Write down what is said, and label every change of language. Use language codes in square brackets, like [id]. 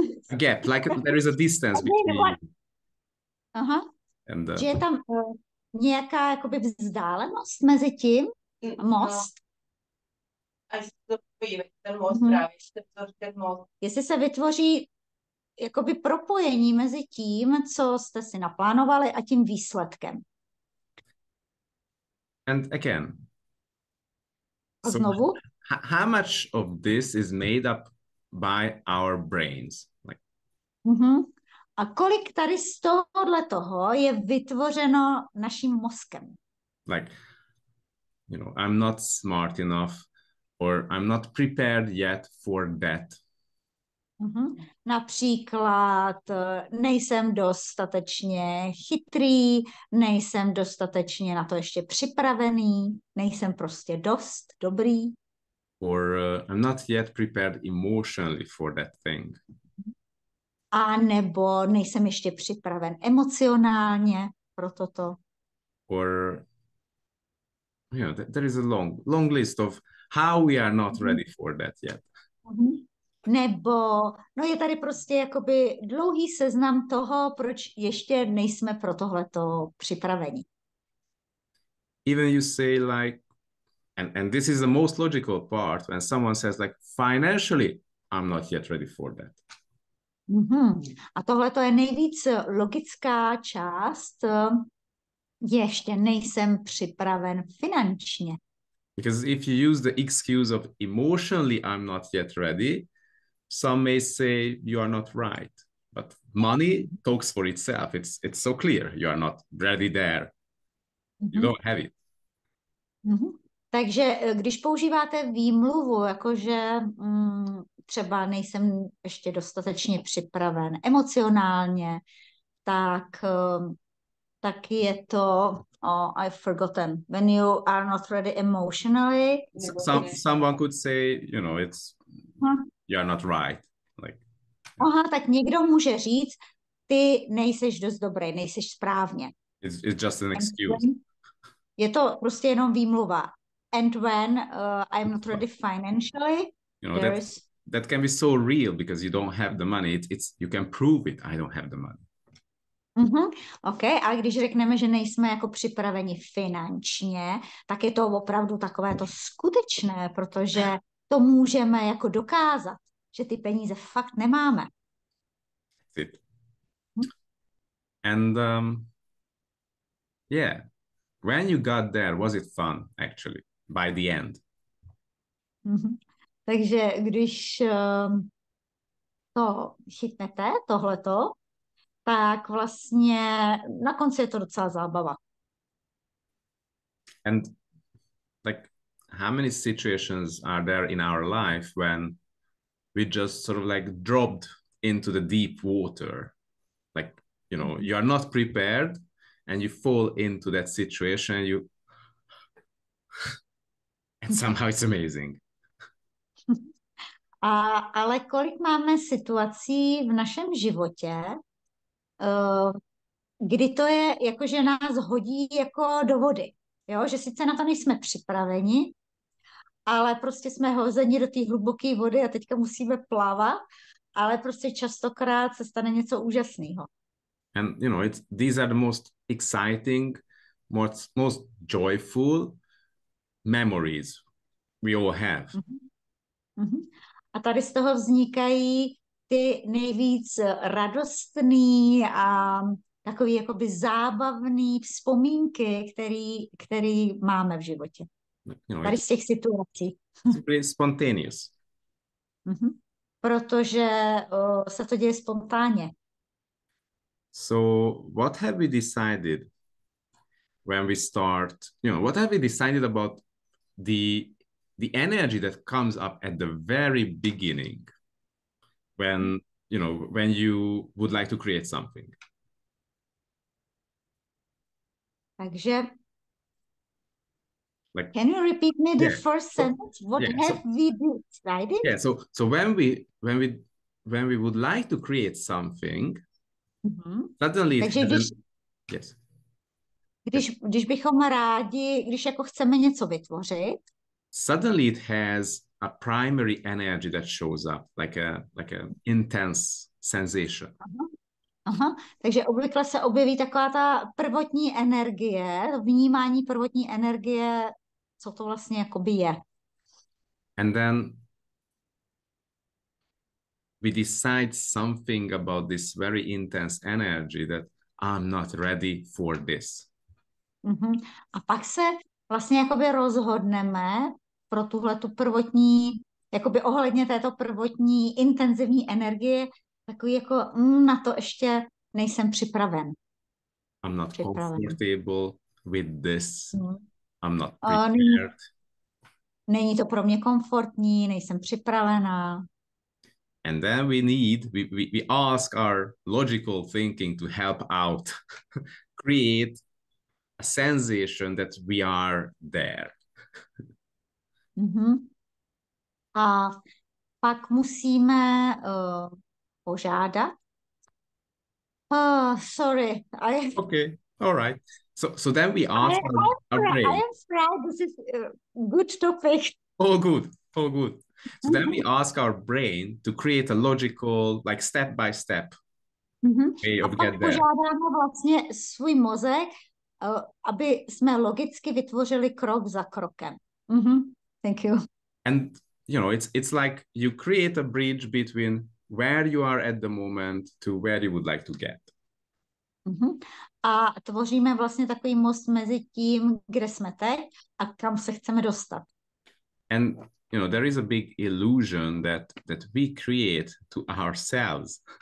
[en] A gap, like there is a distance between you and [cs] Že je tam nějaká jakoby vzdálenost mezi tím, most. Až to pojíme, ten most právě, ten most. Jestli se vytvoří jakoby propojení mezi tím, co jste si naplánovali a tím výsledkem. [en] And again, [cs] A [en] so [cs] znovu? [en] how much of this is made up by our brains? [cs] A kolik tady z tohohle toho je vytvořeno naším mozkem? [en] I'm not smart enough. Or I'm not prepared yet for that. [cs] Například, nejsem dostatečně chytrý, nejsem dostatečně na to ještě připravený, nejsem prostě dost dobrý. [en] Or I'm not yet prepared emotionally for that thing. [cs] A nebo nejsem ještě připraven emocionálně pro toto. [en] Or there is a long list of how we are not ready for that yet. [cs] Nebo, no je tady prostě jakoby dlouhý seznam toho, proč ještě nejsme pro tohleto připraveni. [en] Even you say like, and this is the most logical part when someone says like, financially, I'm not yet ready for that. [cs] A tohle to je nejvíc logická část. Ještě nejsem připraven finančně. [en] Because if you use the excuse of emotionally, I'm not yet ready, some may say you are not right. But money talks for itself. It's so clear you are not ready there. You don't have it. [cs] Takže když používáte výmluvu, jakože třeba nejsem ještě dostatečně připraven emocionálně, tak je to, [en] oh, I've forgotten, when you are not ready emotionally. Someone could say, it's you are not right. Like, [cs] Aha, tak někdo může říct, ty nejseš dost dobrý, nejseš správně. [en] it's just an And excuse. when, [cs] je to prostě jenom výmluva. [en] And when I'm not ready financially, there That is. can be so real because you don't have the money. It's you can prove it. I don't have the money. [cs] OK, a když řekneme, že nejsme jako připraveni finančně, tak je to opravdu takové to skutečné, protože to můžeme jako dokázat, že ty peníze fakt nemáme. [en] It. And yeah, when you got there, was it fun actually by the end? [cs] Takže když to chytnete, tohleto, tak vlastně na konci je to docela zábava. [en] And like, how many situations are there in our life when we just sort of like dropped into the deep water? Like, you know, you are not prepared and you fall into that situation, you and somehow it's amazing. [cs] Ale kolik máme situací v našem životě, kdy to je jako, že nás hodí jako do vody, jo? Že sice na to nejsme připraveni, ale prostě jsme hozeni do té hluboké vody a teďka musíme plavat, ale prostě častokrát se stane něco úžasného. [en] And you know, it's these are the most exciting, most joyful memories we all have. [cs] A tady z toho vznikají ty nejvíc radostný a takový jakoby zábavný vzpomínky, který máme v životě. [en] You know, [cs] tady z těch situací. [en] It's pretty spontaneous. [cs] Protože se to děje spontánně. [en] So what have we decided when we start, you know, what have we decided about the energy that comes up at the very beginning when, you know, when you would like to create something? [cs] Takže, [en] like, can you repeat me the first sentence? What yeah, have we decided? Yeah, so when we would like to create something, suddenly it [cs] Takže [en] happens. [cs] Když bychom rádi, když jako chceme něco vytvořit, [en] suddenly it has a primary energy that shows up, like a intense sensation. [cs] Takže obvykle se objeví taková ta prvotní energie, vnímání prvotní energie, co to vlastně jakoby je. [en] And then we decide something about this very intense energy that I'm not ready for this. [cs] A pak se vlastně jakoby rozhodneme pro tuhle tu prvotní, jakoby ohledně této prvotní intenzivní energie, takový jako na to ještě nejsem připraven. [en] I'm not comfortable with this. I'm not prepared. [cs] Není to pro mě komfortní, nejsem připravená. [en] And then we need, we ask our logical thinking to help out, create a sensation that we are there. [cs] A pak musíme požádat. [en] Oh, sorry. Okay, all right. So then we ask our brain. I am proud, this is a good topic. All good, all good. So then we ask our brain to create a logical, like step-by-step way of getting there. [cs] A pak požádáme vlastně svůj mozek, aby jsme logicky vytvořili krok za krokem. [en] Thank you. And, you know, it's like you create a bridge between where you are at the moment to where you would like to get. [cs] A tvoříme vlastně takový most mezi tím, kde jsme teď a kam se chceme dostat. [en] And, you know, there is a big illusion that we create to ourselves.